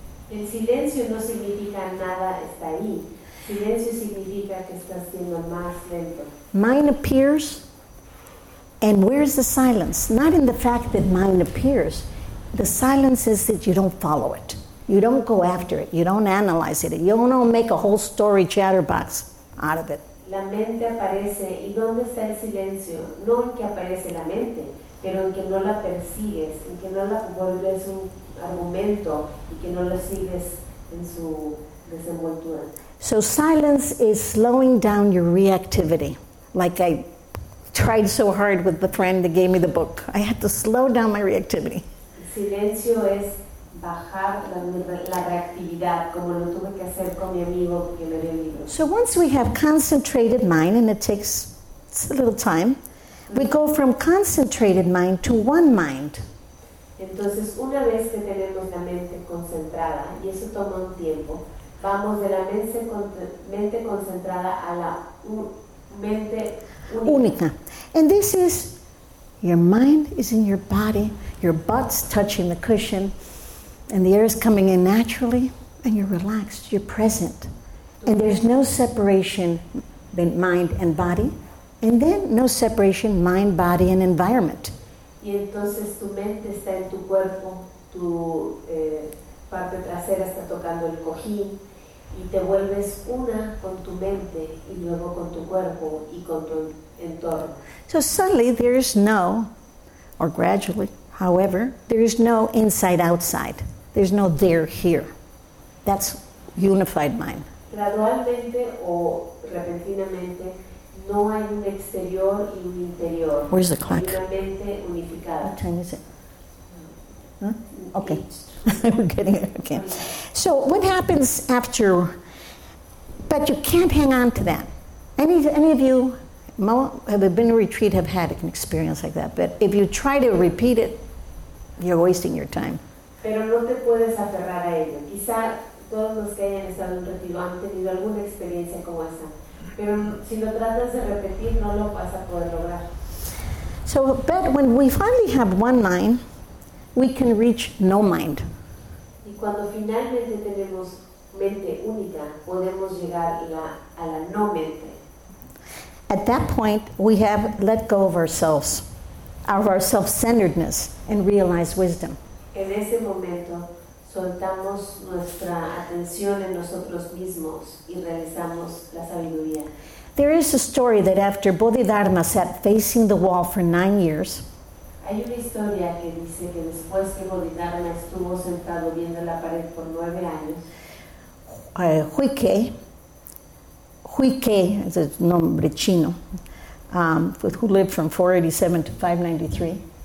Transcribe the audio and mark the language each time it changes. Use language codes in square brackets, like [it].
[es] El silencio no significa nada está ahí. Silencio significa que estás siendo más lento. [en] Mind appears, and where is the silence? Not in the fact that mind appears. The silence is that you don't follow it. You don't go after it. You don't analyze it. You don't make a whole story chatterbox out of it. [es] La mente aparece, ¿y dónde está el silencio? No en que aparece la mente, pero en que no la persigues, en que no la vuelves un argumento y que no la sigues en su desenvoltura. [en] So silence is slowing down your reactivity. Like I tried so hard with the friend that gave me the book. I had to slow down my reactivity. [es] Silencio es bajar la reactividad, como lo tuve que hacer con mi amigo que me dio el libro. [en] So once we have concentrated mind, and it takes a little time, we go from concentrated mind to one mind. [es] Entonces, una vez que tenemos la mente concentrada, y eso toma un tiempo, vamos de la mente concentrada a la mente única. [en] And this is, your mind is in your body, your butt's touching the cushion, and the air is coming in naturally, and you're relaxed, you're present. And there's no separation between mind and body, and then no separation mind, body, and environment. [es] Y entonces tu mente está en tu cuerpo, tu parte trasera está tocando el cojín, y te vuelves una con tu mente y luego con tu cuerpo y con tu entorno. [en] So suddenly there is no, or gradually, however, there is no inside outside. There's no there here. That's unified mind. [es] Gradualmente o repentinamente no hay un exterior y un interior. [en] Where's the clock? [es] Una mente unificada. [en] What time is it? Huh? Okay. We're getting it. Okay. So what happens after, but you can't hang on to that. Any of you have been to a retreat have had an experience like that, but if you try to repeat it, you're wasting your time. [es] Pero no te puedes aferrar a ello. Quizá todos los que hayan estado en un retiro han tenido alguna experiencia como esa. Pero si lo tratas de repetir, no lo vas a poder lograr. [en] So, but when we finally have one mind, we can reach no mind. [es] Y cuando finalmente tenemos mente única, podemos llegar a la no mente. [en] At that point, we have let go of ourselves, of our self-centeredness, and realize wisdom. [es] En ese momento, soltamos nuestra atención en nosotros mismos y realizamos la sabiduría. [en] There is a story that after Bodhidharma sat facing the wall for 9 years, [es] hay una historia que dice que después que Bodhidharma estuvo sentado viendo la pared por 9 años, [en] Huike is a [es] nombre chino, [en] who lived from 487 to 593,